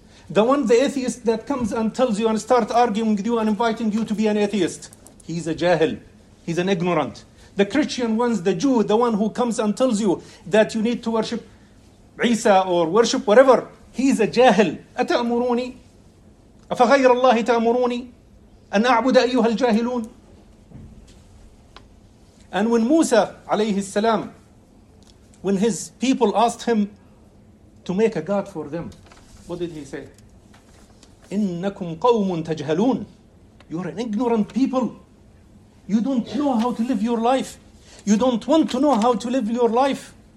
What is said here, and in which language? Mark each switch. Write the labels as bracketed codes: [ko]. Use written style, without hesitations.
[en] The one, the atheist that comes and tells you and start arguing with you and inviting you to be an atheist. He's a jahil. He's an ignorant. The Christian ones, the Jew, the one who comes and tells you that you need to worship Isa or worship whatever. He's a jahil. [ar] أَتَأْمُرُونِي. أفغير الله تأمروني أن أعبد أيها الجاهلون. [en] And when Musa alayhi salam, when his people asked him to make a god for them, what did he say? [ar] إنكم قوم تجهلون. [en] You're an ignorant people. You don't know how to live your life. You don't want to know how to live your life.